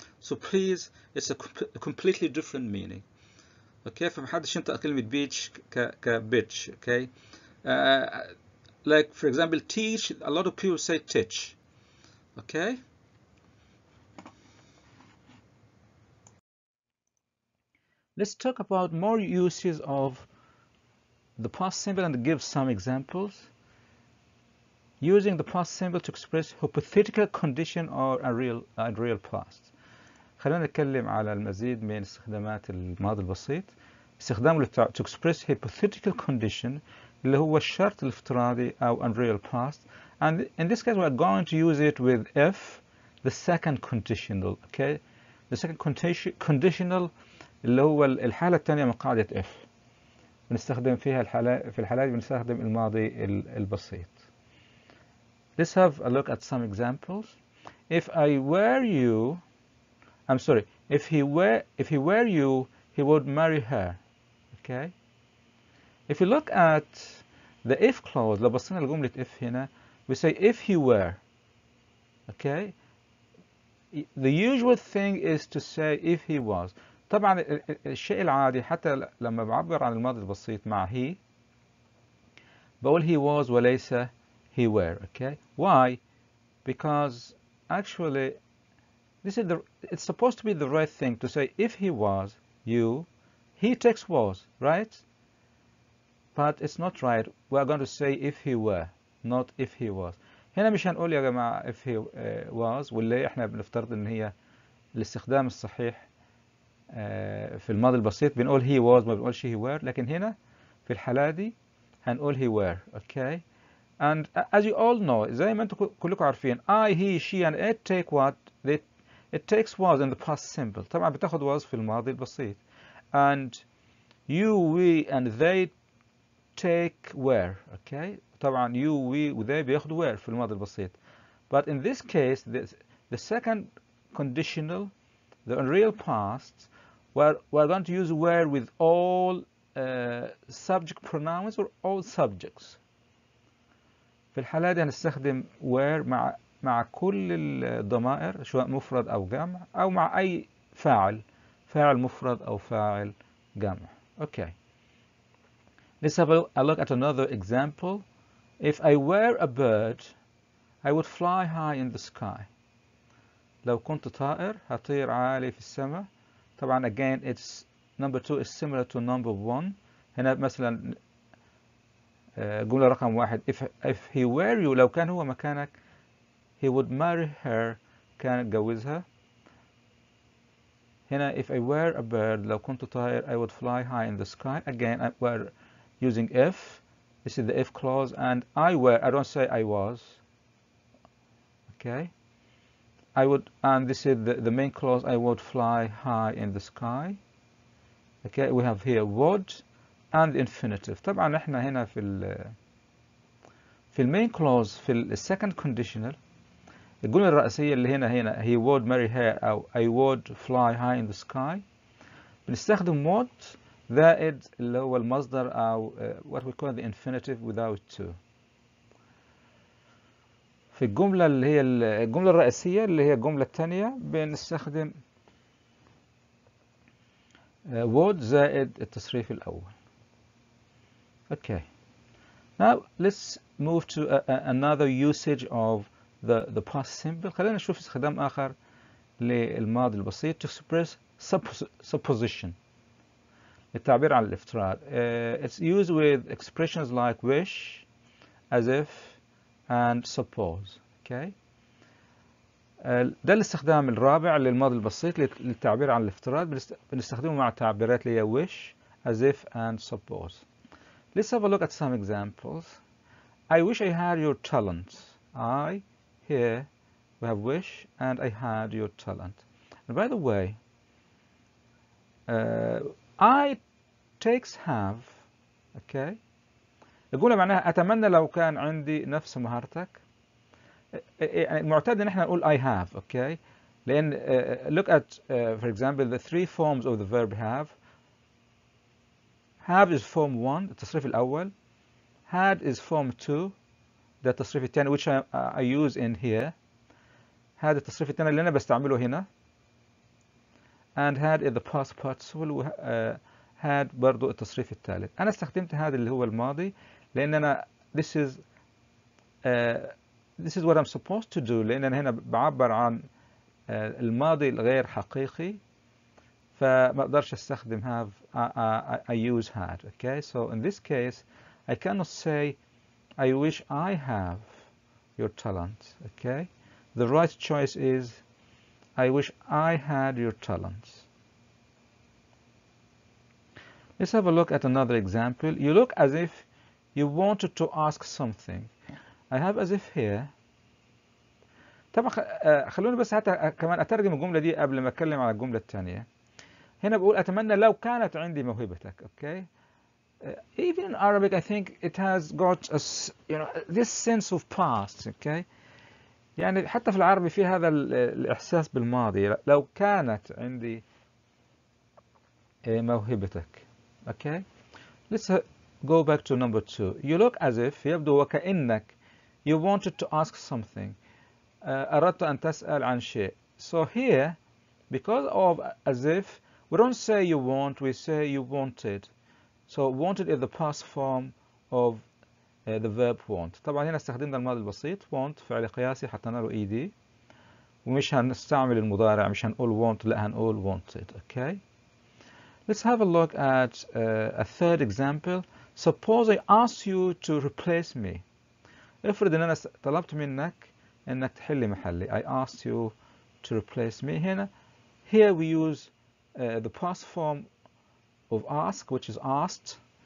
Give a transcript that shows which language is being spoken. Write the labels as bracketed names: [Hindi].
[English] So please, it's a completely different meaning, okay? [Arabic] فمحدش ينطق كلمة beach ك bitch, okay? [English] Like, for example, teach, a lot of people say teach, okay? Let's talk about more uses of the past simple and give some examples. Using the past simple to express hypothetical condition or a real past. [Arabic] خلينا نتكلم على المزيد من استخدامات الماضي البسيط. استخدام [English] to express hypothetical condition [Arabic] اللي هو الشرط الافتراضي أو [English] unreal past. And in this case, we are going to use it with if the second conditional. Okay, the second conditional. [Arabic] اللي هو الحالة الثانية من قاعدة F بنستخدم فيها الحالة في الحالات بنستخدم الماضي البسيط. [English] Let's have a look at some examples. If I were you, I'm sorry. If he were you, he would marry her. Okay. If you look at the if clause, [Arabic] لو بصينا لجملة if هنا, [English] we say if he were. Okay. The usual thing is to say if he was. [Arabic] طبعا الشيء العادي حتى لما بعبر عن الماضي البسيط مع he بقول [English] he was [Arabic] وليس [English] he were. Okay, why? Because actually this is it's supposed to be the right thing to say if he was you, he takes was, right? But it's not right. We are going to say if he were, not if he was. [Arabic] هنا مش هنقول يا جماعة [English] if he was [Arabic] واللي احنا بنفترض ان هي الاستخدام الصحيح في الماضي البسيط بنقول he was ما بنقولش [English] he were. [Arabic] لكن هنا في الحالة دي هنقول he were. [English] Okay. And as you all know, [Arabic] زي ما انتم كلكم عارفين [English] I, he, she and it take what? It takes was in the past simple. [Arabic] طبعا بتاخد was في الماضي البسيط. [English] And you, we and they take were. Okay. طبعا you, we and they بياخدوا were [Arabic] في الماضي البسيط. [English] But in this case the second conditional, the unreal past, we're going to use where with all subject pronouns or all subjects. [Arabic] في الحالة دي هنستخدم where مع كل الضمائر سواء مفرد أو جمع أو مع أي فاعل, فاعل مفرد أو فاعل جمع. [English] Okay. Let's have a look at another example. If I were a bird, I would fly high in the sky. [Arabic] لو كنت طائر هطير عالي في السماء. [English] طبعا again it's number two is similar to number one. [Arabic] هنا مثلا جملة رقم واحد [English] if he were you, [Arabic] لو كان هو مكانك [English] he would marry her, [Arabic] كان اتجوزها. [English] هنا if I were a bird, [Arabic] لو كنت طائر [English] I would fly high in the sky. Again we're using if, this is the if clause. And I were, I don't say I was. Okay. I would, and this is the main clause, I would fly high in the sky. Okay, we have here would and the infinitive. [Arabic] طبعا احنا هنا في المين clause في second conditional الجملة الرئيسية اللي هنا [English] he would marry her [Arabic] أو [English] I would fly high in the sky [Arabic] بنستخدم would زائد اللي هو المصدر أو [English] what we call the infinitive without to. [Arabic] في الجملة اللي هي الجملة الرئيسية اللي هي الجملة الثانية بنستخدم would زائد التصريف الأول. [English] Okay. Now let's move to another usage of the past simple. [Arabic] خلينا نشوف استخدام آخر للماضي البسيط [English] to express supposition. [Arabic] التعبير عن الافتراض. [English] It's used with expressions like wish, as if, and suppose. Okay. [Arabic] ده الاستخدام الرابع للماضي البسيط للتعبير عن الافتراض. بنستخدمه مع تعبيرات اللي هي wish, [English] as if, [Arabic] and suppose. [English] Let's have a look at some examples. I wish I had your talent. I, here, we have wish, and I had your talent. And by the way, I takes have. Okay. [Arabic] يقول معناها أتمنى لو كان عندي نفس مهارتك. المعتاد ان احنا نقول [English] I have. Okay. لأن look at, for example, the three forms of the verb have. Have is form one, [Arabic] التصريف الأول. [English] Had is form two, [Arabic] ده التصريف الثاني, [English] which I use in here. [Arabic] Had التصريف الثاني اللي أنا بستعمله هنا. [English] And had is the past participle. [Arabic] Had برضو التصريف الثالث. أنا استخدمت هذا اللي هو الماضي لأن أنا [English] this is what I'm supposed to do. [Arabic] لأن أنا هنا بعبر عن الماضي الغير حقيقي. فما اقدرش استخدم have, [English] I use had. Okay, so in this case I cannot say I wish I have your talent. Okay, the right choice is I wish I had your talent. Let's have a look at another example. You look as if you wanted to ask something. I have as if here. [Arabic] طبعا خلوني بس حتى كمان اترجم الجملة دي قبل ما اتكلم على الجملة الثانية. هنا بقول أتمنى لو كانت عندي موهبتك. [English] Okay. Even in Arabic, I think it has got a, you know, this sense of past. Okay. [Arabic] يعني حتى في العربي في هذا الإحساس بالماضي. لو كانت عندي موهبتك. Okay. [English] Let's go back to number two. You look as if, [Arabic] يبدو وكأنك, [English] you wanted to ask something. [Arabic] أردت أن تسأل عن شيء. [English] So here, because of as if, we don't say you want, we say you wanted. So wanted is the past form of the verb want. [Arabic] طبعا هنا استخدمنا الماضي البسيط want فعل قياسي حتى نقول ED. ومش هنستعمل المضارع مش هنقول want لا هنقول wanted. [English] Okay. Let's have a look at a third example. Suppose I ask you to replace me. [Arabic] افرض ان انا طلبت منك انك تحل محلي. [English] I asked you to replace me. هنا here we use the past form of ask, which is asked.